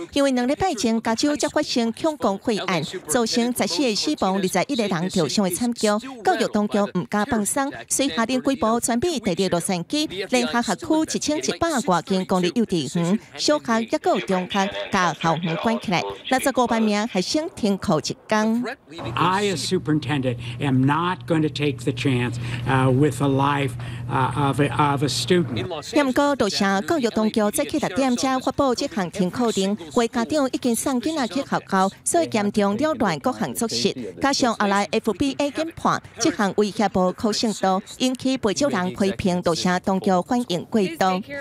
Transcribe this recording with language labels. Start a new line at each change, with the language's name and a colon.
Min Nan Chinese: 因为两礼拜前加州才发生恐攻会案，造成14人死亡、21人受伤的惨剧，教育当局唔敢放松，所以下令规模全面地列洛杉矶联合学区1100多间公立幼稚园、小学一个中学加校门关起来，65万名学生停课一天。
English: I, as superintendent, am not going to take the chance with the life of a student.
Min Nan Chinese: 不过，洛城教育当局在7点才发布这项停课令，为家长已经送囡仔去学校，所以严重扰乱各项作息。加上后来 FBA 研判这项威胁无可信度，引起不少人批评洛城当局反应过度。